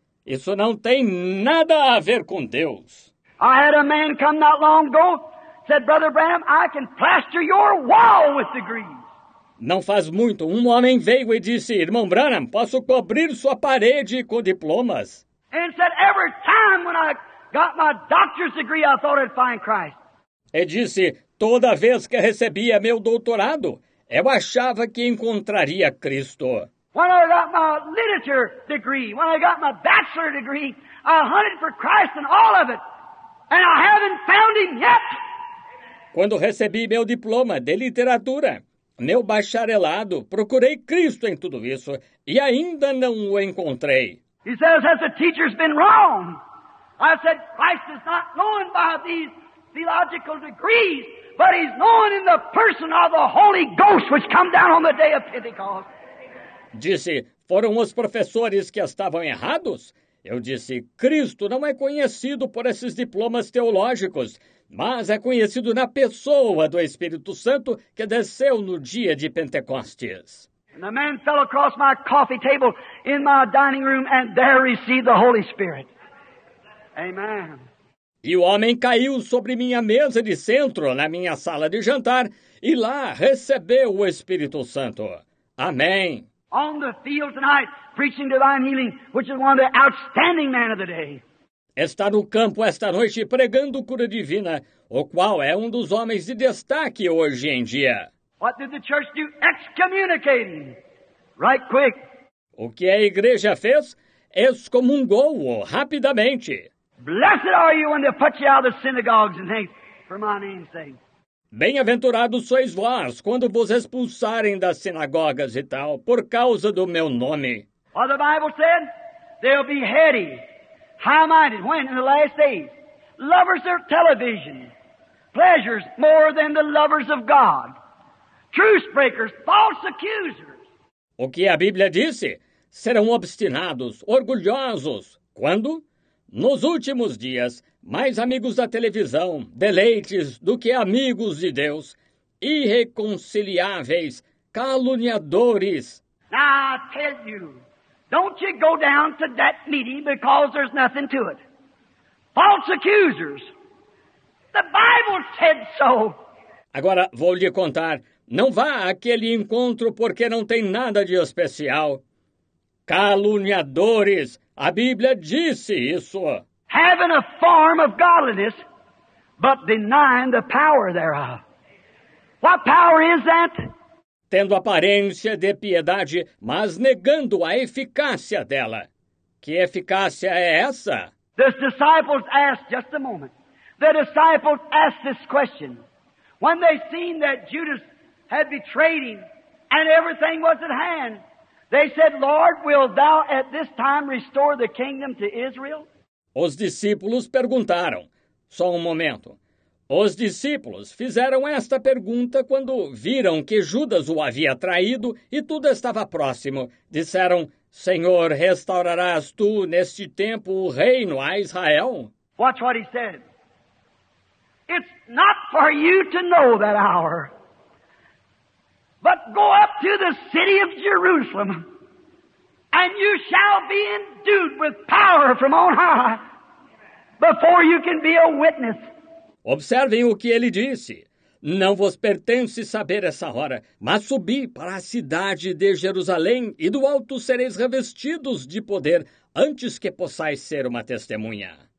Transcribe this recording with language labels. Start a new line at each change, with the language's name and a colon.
Portuguese: Isso não tem nada a ver com Deus.
English: I had a man come not long ago, said, Brother Bram, I can plaster your wall with degrees.
Portuguese: Não faz muito, um homem veio e disse, Irmão Branham, posso cobrir sua parede com diplomas.
English: And said, every time when I got my doctor's degree, I thought I'd find Christ.
Portuguese: E disse, toda vez que recebia meu doutorado, eu achava que encontraria Cristo.
English: When I got my literature degree, when I got my bachelor degree, I hunted for Christ in all of it. And I haven't found him yet.
Portuguese: Quando recebi meu diploma de literatura, meu bacharelado, procurei Cristo em tudo isso e ainda não o encontrei.
English: He says, has the teachers been wrong? I said, Christ is not known by these theological degrees, but he's known in the person of the Holy Ghost which come down on the day of Pentecost.
Portuguese: Disse, foram os professores que estavam errados? Eu disse, Cristo não é conhecido por esses diplomas teológicos, mas é conhecido na pessoa do Espírito Santo que desceu no dia de Pentecostes.
English: And the man fell across my coffee table in my dining room and there received the Holy Spirit. Amen.
Portuguese: E o homem caiu sobre minha mesa de centro na minha sala de jantar e lá recebeu o Espírito Santo. Amém.
English: On the field tonight, preaching divine healing, which is one of the outstanding men of the day.
Portuguese: Está no campo esta noite pregando cura divina, o qual é um dos homens de destaque hoje em dia.
English: What did the church do? Excommunicating. Right quick.
Portuguese: O que a igreja fez? Excomungou-o rapidamente.
English: Blessed are you when they put you out of the synagogues and things for my name's sake.
Portuguese: Bem-aventurados sois vós quando vos expulsarem das sinagogas e tal, por causa do meu nome.
English: What the Bible said? They'll be heady, high-minded, when in the last days. Lovers of television, pleasures more than the lovers of God. Truth-breakers, false accusers.
Portuguese: O que a Bíblia disse? Serão obstinados, orgulhosos. Quando? Nos últimos dias, mais amigos da televisão, deleites do que amigos de Deus, irreconciliáveis, caluniadores.
English: Now I tell you, don't you go down to that meeting because there's nothing to it. False accusers. The Bible said so.
Portuguese: Agora vou lhe contar, não vá àquele encontro porque não tem nada de especial. Caluniadores. A Bíblia disse isso.
English: Having a form of godliness, but denying the power thereof. What power is that?
Portuguese: Tendo aparência de piedade, mas negando a eficácia dela. Que eficácia é essa?
English: The disciples asked, just a moment. The disciples asked this question. When they seen that Judas had betrayed him and everything was at hand, they said, Lord, will thou at this time restore the kingdom to Israel?
Portuguese: Os discípulos perguntaram. Só um momento. Os discípulos fizeram esta pergunta quando viram que Judas o havia traído e tudo estava próximo. Disseram, Senhor, restaurarás tu neste tempo o reino a Israel?
English: Watch what he said. It's not for you to know that hour. But go up to the city of Jerusalem, and you shall be endued with power from on high, before you can be a witness.
Portuguese: Observem o que ele disse. Não vos pertence saber essa hora, mas subi para a cidade de Jerusalém, e do alto sereis revestidos de poder, antes que possais ser uma testemunha.